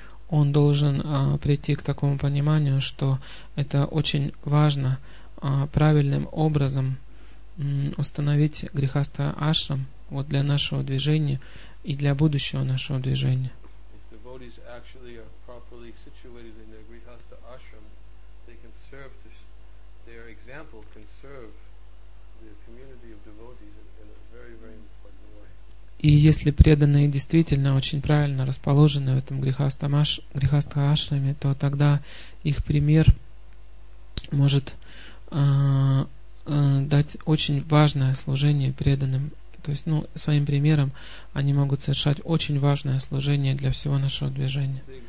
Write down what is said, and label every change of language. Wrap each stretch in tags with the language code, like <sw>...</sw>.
<ru>он должен прийти к такому пониманию, что это очень важно правильным образом установить грихастха ашрам вот для нашего движения и для будущего нашего движения.</ru> <en>If devotees actually are properly situated in their grihastha ashram, they can serve their example can serve the community of devotees in a very, very important way.</en> <ru>И если преданные действительно очень правильно расположены в этом грихастха ашраме, то тогда их пример может дать очень важное служение преданным. То есть, ну, своим примером они могут совершать очень важное служение для всего нашего движения.</ru>